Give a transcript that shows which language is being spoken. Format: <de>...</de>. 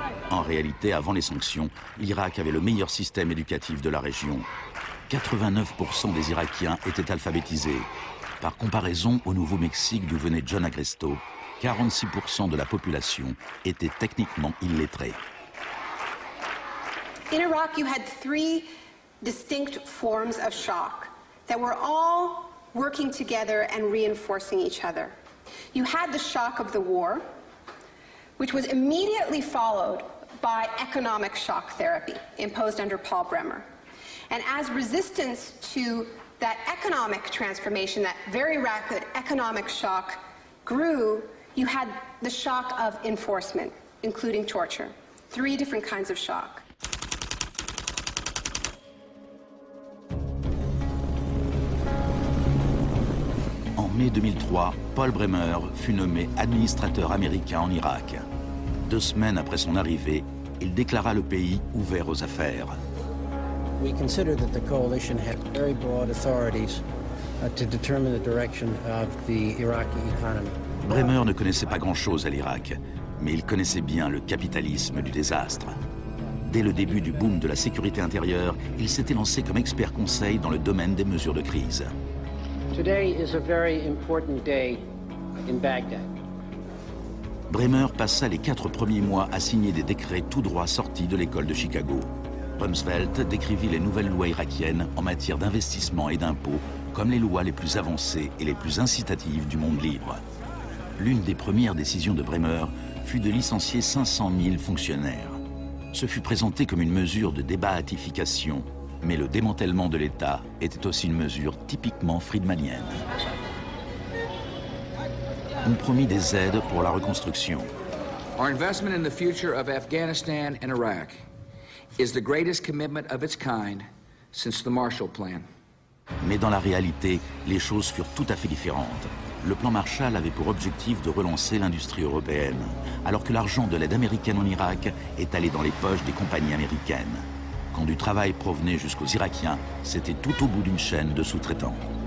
<fr>En réalité, avant les sanctions, l'Irak avait le meilleur système éducatif de la région. 89% des Irakiens étaient alphabétisés. Par comparaison au Nouveau-Mexique d'où venait John Agresto, 46% de la population était techniquement illettrée.</fr> <en>In Iraq, you had 3 distinct forms of shock. that we're all working together and reinforcing each other. You had the shock of the war, which was immediately followed by economic shock therapy imposed under Paul Bremer. And as resistance to that economic transformation, that very rapid economic shock grew, you had the shock of enforcement, including torture. Three different kinds of shock.</en> <fr>En mai 2003, Paul Bremer fut nommé administrateur américain en Irak. Deux semaines après son arrivée, il déclara le pays ouvert aux affaires.</fr> <en>We considered that the coalition had very broad authorities to determine the direction of the Iraqi economy.</en> <fr>Bremer ne connaissait pas grand-chose à l'Irak, mais il connaissait bien le capitalisme du désastre. Dès le début du boom de la sécurité intérieure, il s'était lancé comme expert conseil dans le domaine des mesures de crise.</fr> <en>Today is a very important day in Baghdad.</en> <fr>Bremer passa les quatre premiers mois à signer des décrets tout droit sortis de l'école de Chicago. Rumsfeld décrivit les nouvelles lois irakiennes en matière d'investissement et d'impôts comme les lois les plus avancées et les plus incitatives du monde libre. L'une des premières décisions de Bremer fut de licencier 500 000 fonctionnaires. Ce fut présenté comme une mesure de débaatification, mais le démantèlement de l'État était aussi une mesure typiquement friedmanienne. On promit des aides pour la reconstruction.</fr> <en>Our investment in the future of Afghanistan and Iraq is the greatest commitment of its kind since the Marshall Plan.</en> <fr>Mais dans la réalité, les choses furent tout à fait différentes. Le plan Marshall avait pour objectif de relancer l'industrie européenne, alors que l'argent de l'aide américaine en Irak est allé dans les poches des compagnies américaines. Quand du travail provenait jusqu'aux Irakiens, c'était tout au bout d'une chaîne de sous-traitants.</fr>